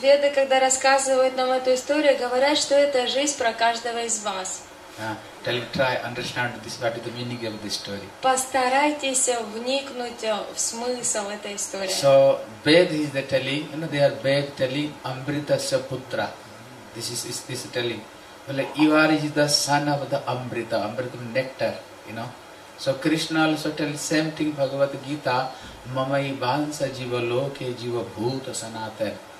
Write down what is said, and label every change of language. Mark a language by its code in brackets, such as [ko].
[ru] Веды, когда рассказывают нам эту историю, говорят, что это жизнь про каждого из вас. [en] Try understand this, what is the meaning of this story. [ru] Постарайтесь вникнуть в смысл этой истории. [en] So, Veda is the telling, you know, they are Veda telling [sa] Amritasya Putra. [en] This is telling. Well, you are the son of the Amrita, Amrita nectar, you know. So, Krishna also tells same thing, Bhagavad Gita, [sa] Mamai Bhansa Jiva Loke Jiva Bhuta Sanatana.